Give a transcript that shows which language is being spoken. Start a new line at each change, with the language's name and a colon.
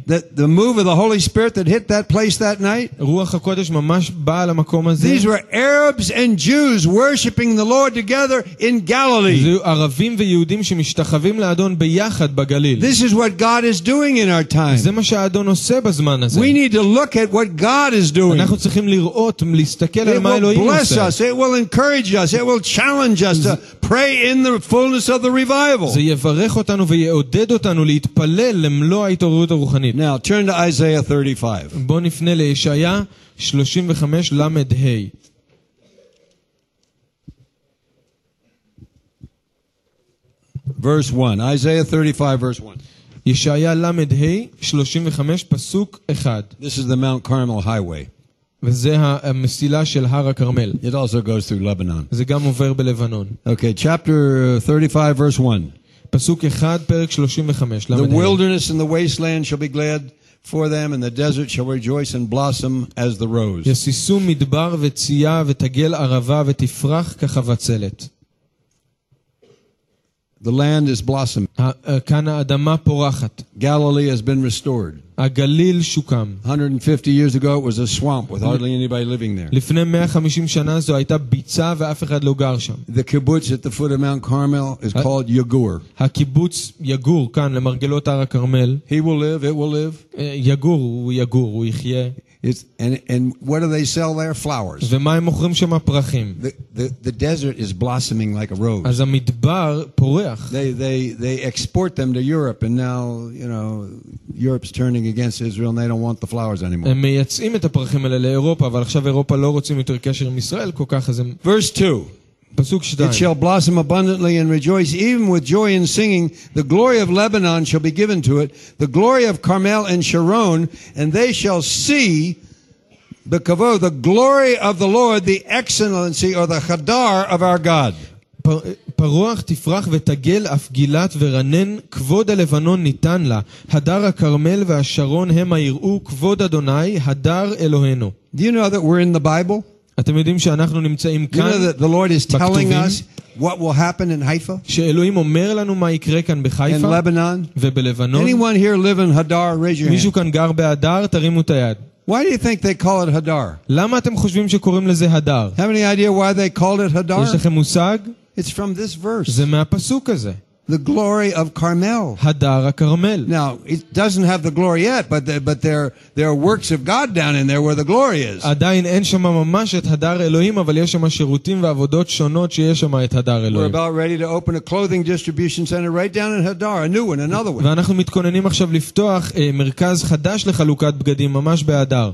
English: The move of the Holy Spirit that hit that place that night.
Hebrew: רוח הקודש ממש באה למקום הזה.
English: These were Arabs and Jews worshiping the Lord together in Galilee.
Hebrew: זהו ערבים ויהודים שמשתחווים לאדון ביחד בגליל.
English: This is what God is doing in our time.
Hebrew: זה מה שהאדון עושה בזמן הזה.
English: We need to look at what God is doing.
Hebrew: אנחנו צריכים לראות, להסתכל על מה אלוהים עושה.
English: It will bless us. It will encourage us. It will challenge us to pray in the fullness of the revival.
Hebrew: יברך אותנו ויעודד אותנו להתפלל למלוא ההתעוררות הרוחנית.
English: Now, turn to Isaiah 35.
Hebrew: בוא נפנה לישעיה 35 ל"ה. ישעיה ל"ה 35, פסוק 1.
English: This is the Mount Carmel Highway.
Hebrew: וזה המסילה של הר הקרמל.
English: It also goes through Lebanon.
Hebrew: זה גם עובר בלבנון.
English: Okay, chapter 35, verse 1.
Hebrew: פסוק 1 פרק 35 למדה.
English: The wilderness and the wasteland shall be glad for them and the desert shall rejoice and blossom as the rose.
Hebrew: ישישו מדבר וצייה ותגל ערבה ותפרח כחבצלת.
English: The land is blossoming.
Hebrew: כאן האדמה פורחת.
English: Galilee has been restored.
Hebrew: הגליל שוקם.
English: 150 years ago it was a swamp with hardly anybody living there.
Hebrew: לפני 150 שנה זו הייתה ביצה ואף אחד לא גר שם.
English: The kibbutz at the foot of Mount Carmel is called Yagur.
Hebrew: הקיבוץ יגור כאן למרגלות הר הכרמל.
English: He will live, it will live.
Hebrew: יגור, הוא יגור, הוא יחיה.
English: It's, and what do they sell there? Flowers.
Hebrew: ומה הם מוכרים שם? פרחים.
English: The desert is blossoming like a rose.
Hebrew: אז המדבר פורח.
English: They export them to Europe and now, you know, Europe's turning against Israel and they don't want the flowers anymore.
Hebrew: הם מייצאים את הפרחים האלה לאירופה, אבל עכשיו אירופה לא רוצים יותר קשר עם ישראל, כל כך אז הם...
English: Verse 2.
Hebrew: פסוק 2.
English: It shall blossom abundantly and rejoice even with joy and singing. The glory of Lebanon shall be given to it. The glory of Carmel and Sharon. And they shall see
Hebrew: בכבוד,
English: the glory of the Lord, the excellency or the hadar of our God.
Hebrew: פרוח תפרח ותגל אף גילת ורנן, כבוד הלבנון ניתן לה. הדר הקרמל והשרון הם היראו כבוד אדוני, הדר אלוהינו.
English: Do you know that we're in the Bible?
Hebrew: אתם יודעים שאנחנו נמצאים כאן בכתובים?
English: You know the Lord is telling us what will happen in Haifa?
Hebrew: שאלוהים אומר לנו מה יקרה כאן בחיפה?
English: In Lebanon?
Hebrew: ובלבנון?
English: Anyone here live in Hadar? Raise your hand.
Hebrew: מישהו כאן גר בהדר? תרימו את היד.
English: Why do you think they call it Hadar?
Hebrew: למה אתם חושבים שקוראים לזה הדר?
English: Have any idea why they called it Hadar?
Hebrew: יש לכם מושג?
English: It's from this verse.
Hebrew: זה מהפסוק הזה.
English: The glory of Carmel.
Hebrew: הדר הקרמל.
English: Now, it doesn't have the glory yet, but there are works of God down in there where the glory is.
Hebrew: עדיין אין שם ממש את הדר אלוהים, אבל יש שם שירותים ועבודות שונות שיש שם את הדר אלוהים.
English: We're about ready to open a clothing distribution center right down in Hadar, a new one, another one.
Hebrew: ואנחנו מתכוננים עכשיו לפתוח מרכז חדש לחלוקת בגדים ממש בהדר.